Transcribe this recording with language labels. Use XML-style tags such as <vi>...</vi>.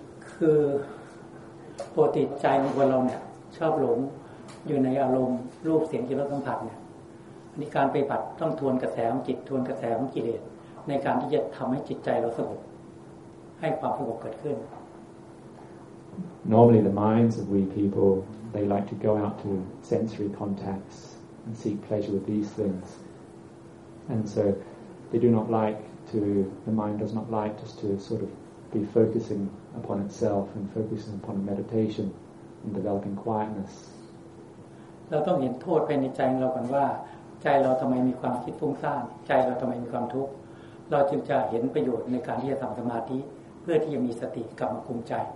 <th>คือปกติใจของคนเราเนี่ยชอบหลงอยู่ในอารมณ์รูปเสียงกลิ่นรสสัมผัสเนี่ยในการไปปัดต้องทวนกระแสของจิตทวนกระแสของกิเลสในการที่จะทำให้จิตใจเราสงบให้ความสงบเกิดขึ้น</th> <en>Normally the minds of we people they like to go out to sensory contacts and seek pleasure with these things and so they do not like to the mind does not like just to sort of be focusing upon itself and focusing upon meditation and developing quietness</en> <th>เราต้องเห็นโทษภายในใจเราก่อนว่าใจเราทำไมมีความคิดฟุ้งซ่านใจเราทำไมมีความทุกข์เราจึงจะเห็นประโยชน์ในการที่จะทำสมาธิเพื่อที่จะมีสติกลับมาคุมใจ</th>